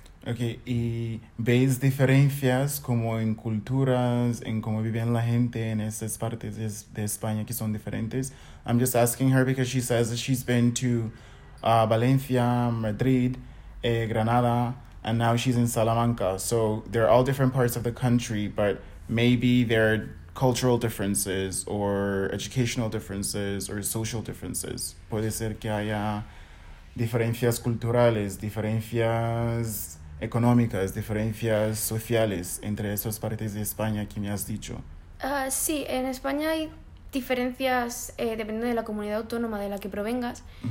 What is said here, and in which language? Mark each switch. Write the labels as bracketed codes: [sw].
[es] Okay, ¿y veis diferencias como en culturas, en cómo viven la gente en esas partes de España que son diferentes? [en] I'm just asking her because she says that she's been to Valencia, Madrid, Granada, and now she's in Salamanca. So they're all different parts of the country, but maybe there are cultural differences, or educational differences, or social differences. [es] Puede ser que haya diferencias culturales, diferencias económicas, diferencias sociales entre esas partes de España que me has dicho. Sí, en España hay diferencias dependiendo de la comunidad autónoma de la que provengas.